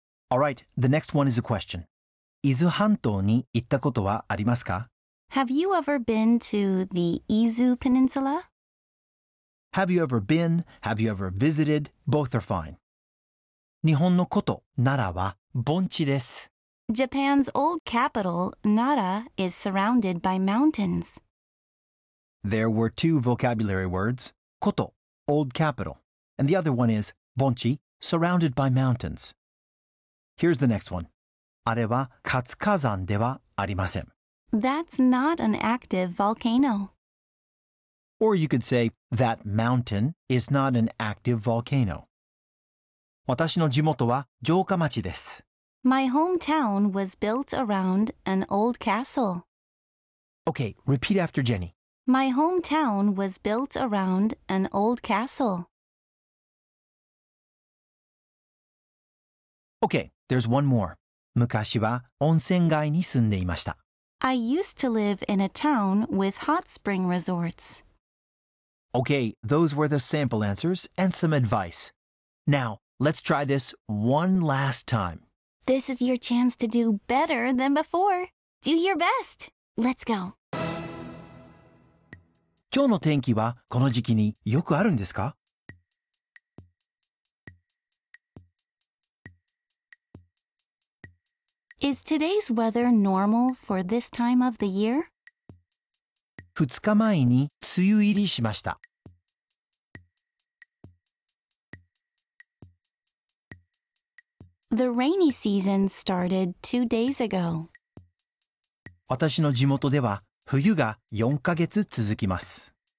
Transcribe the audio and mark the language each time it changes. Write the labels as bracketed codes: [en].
[en] All right, the next one is a question. [ja] 伊豆半島に行ったことはありますか? [en] Have you ever been to the 伊豆 Peninsula? Have you ever been? Have you ever visited? Both are fine. [ja] 日本のことならは盆地です。 [en] Japan's old capital, Nara, is surrounded by mountains. There were two vocabulary words, koto, old capital, and the other one is bonchi, surrounded by mountains. Here's the next one. [ja] あれは活火山ではありません。 [en] That's not an active volcano. Or you could say, that mountain is not an active volcano. [ja] 私の地元は城下町です。 [en] My hometown was built around an old castle. Okay, repeat after Jenny. My hometown was built around an old castle. Okay, there's one more. [ja] 昔は温泉街に住んでいました。 [en] I used to live in a town with hot spring resorts. Okay, those were the sample answers and some advice. Now, let's try this one last time. This is your chance to do better than before. Do your best. Let's go. [ja] 今日の天気はこの時期によくあるんですか? [en] Is today's weather normal for this time of the year? [ja] 2日前に梅雨入りしました。 [en] The rainy season started 2 days ago. [ja] 私の地元では冬が4ヶ月続きます。